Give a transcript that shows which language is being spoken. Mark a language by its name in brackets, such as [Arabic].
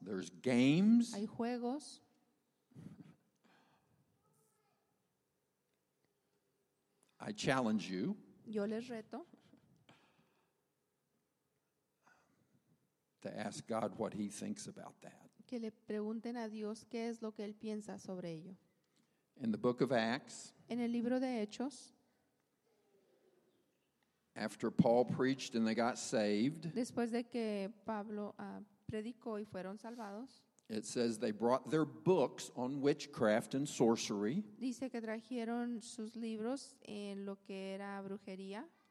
[English] There's games. [Spanish] Hay juegos. [English] I challenge you. [Spanish] Yo les reto. [English] To ask God what he thinks about that. [Spanish] Que le pregunten a Dios qué es lo que él piensa sobre ello. [English] In the book of Acts. [Spanish] En el libro de Hechos. [English] After Paul preached and they got saved. [Spanish] Después de que Pablo predicó y fueron salvados. [English] It says they brought their books on witchcraft and sorcery. [Spanish] Dice que trajeron sus libros en lo que era brujería.